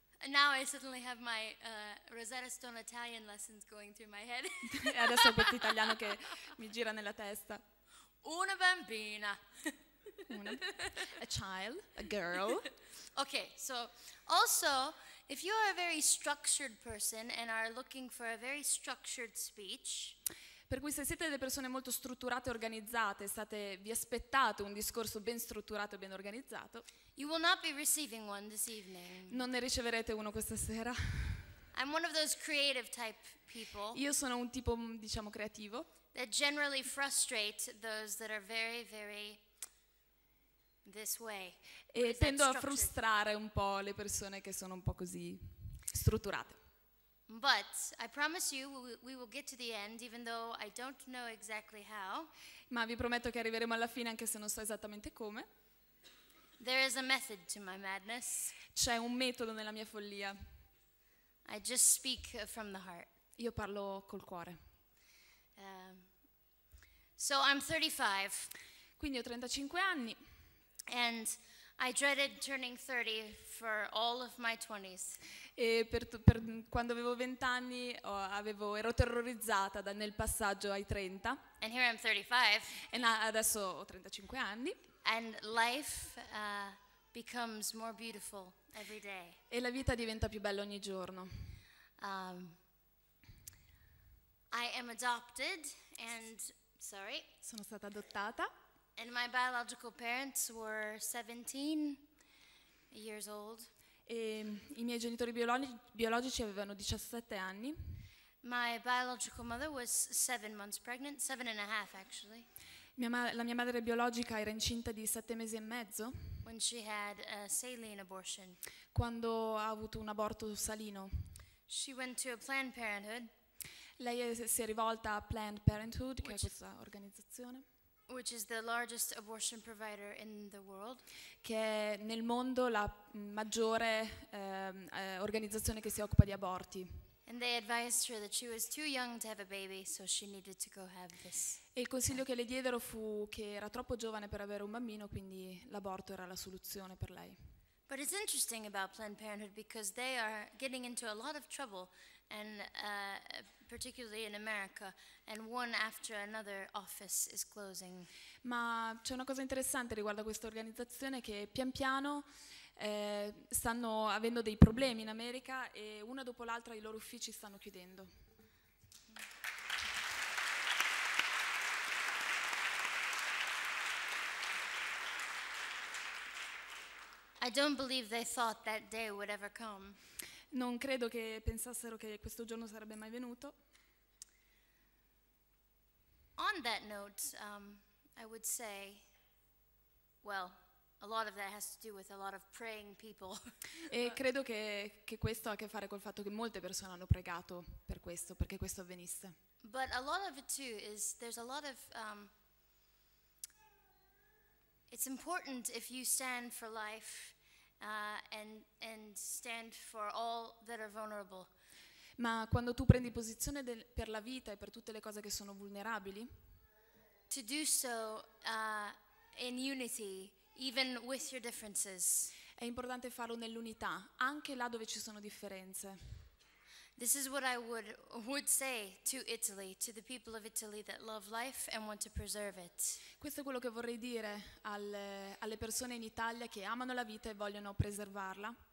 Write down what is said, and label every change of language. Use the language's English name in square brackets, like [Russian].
[English] Now I suddenly have my Rosetta Stone Italian lessons going through my head. [Italian] E adesso ho questo italiano che mi gira nella testa. Una bambina. [English] A child, a girl. Okay, so also if you are a very structured person and are looking for a very structured speech. [Italian] Per cui se siete delle persone molto strutturate e organizzate, vi aspettate un discorso ben strutturato e ben organizzato. [English] You will not be receiving one this evening. [Italian] Non ne riceverete uno questa sera. [English] I'm one of those creative type people. [Italian] Io sono un tipo, diciamo, creativo. [English] That generally frustrate those that are very, very this way. [Italian] E tendo a frustrare un po' le persone che sono un po' così strutturate. [English] But I promise you we will get to the end even though I don't know exactly how. [Italian] Ma vi prometto che arriveremo alla fine anche se non so esattamente come. [English] There is a method to my madness. [Italian] C'è un metodo nella mia follia. [English] I just speak from the heart. [Italian] Io parlo col cuore. [English] So I'm 35. [Italian] Quindi ho 35 anni. [English] And I dreaded turning 30 for all of my 20s. [Italian] E per quando avevo 20 anni ero terrorizzata nel passaggio ai 30. [English] And here I'm 35. [Italian] E adesso ho 35 anni. [English] And life becomes more beautiful every day. [Italian] E la vita diventa più bella ogni giorno. [English] I am adopted and sorry. [Italian] Sono stata adottata. [English] And my biological parents were 17 years old. [Italian] E i miei genitori biologici avevano 17 anni. [English] My biological mother was 7 months pregnant, 7 and a half actually. [Italian] La mia madre biologica era incinta di 7 mesi e mezzo. [English] When she had a saline abortion. [Italian] Quando ha avuto un aborto salino. [English] She went to a Planned Parenthood. [Italian] Lei si è rivolta a Planned Parenthood, che è questa organizzazione. [English] Which is the largest abortion provider in the world. [Italian] Che è nel mondo la maggiore organizzazione che si occupa di aborti. [English] And they advised her that she was too young to have a baby, so she needed to go have this. [Italian] E il consiglio che le diedero fu che era troppo giovane per avere un bambino, quindi l'aborto era la soluzione per lei. [English] But it's interesting about Planned Parenthood because they are getting into a lot of trouble, and particularly in America, and one after another office is closing. [Italian] Ma c'è una cosa interessante riguardo a questa organizzazione che pian piano stanno avendo dei problemi in America e una dopo l'altra i loro uffici stanno chiudendo. [English] I don't believe they thought that day would ever come. [Italian] Non credo che pensassero che questo giorno sarebbe mai venuto. [English] On that note, I would say, well, a lot of that has to do with a lot of praying people. [Italian] E credo che questo ha a che fare col fatto che molte persone hanno pregato per questo, perché questo avvenisse. [English] But a lot of it too is there's a lot of it's important if you stand for life and stand for all that are vulnerable. [Italian] Ma quando tu prendi posizione per la vita e per tutte le cose che sono vulnerabili, [English] to do so in unity, even with your differences. [Italian] È importante farlo nell'unità, anche là dove ci sono differenze. [English] This is what I would say to Italy, to the people of Italy that love life and want to preserve it. [Italian] Questo è quello che vorrei dire alle persone in Italia che amano la vita e vogliono preservarla.